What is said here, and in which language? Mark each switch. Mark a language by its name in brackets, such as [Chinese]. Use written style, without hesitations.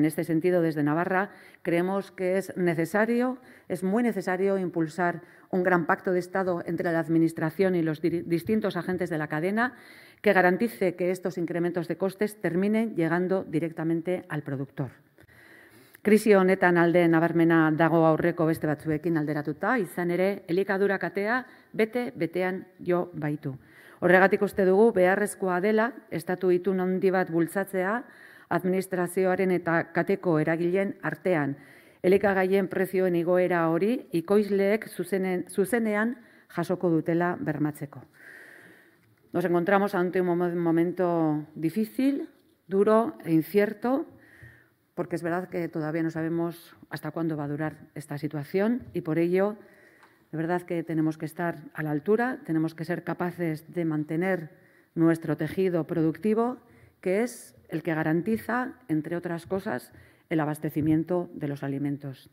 [Spanish] En este sentido, desde Navarra, creemos que es muy necesario impulsar un gran pacto de Estado entre la Administración y los distintos agentes de la cadena que garantice que estos incrementos de costes terminen llegando directamente al productor. [Basque] Krisi honetan alde nabarmena dago aurreko beste batzuekin alderatuta, izan ere elikadura katea bete-betean jo baitu. Horregatik uste dugu beharrezkoa dela estatu itun handi bat bultzatzea administrazioaren eta kateko eragileen artean. Elikagaien prezioen igoera hori ikoizleek zuzenean jasoko dutela bermatzeko. [Spanish] Nos encontramos ante un momento difícil, duro e incierto, porque es verdad que todavía no sabemos hasta cuándo va a durar esta situación y por ello, de verdad que tenemos que estar a la altura, tenemos que ser capaces de mantener nuestro tejido productivo, que es el que garantiza, entre otras cosas, el abastecimiento de los alimentos.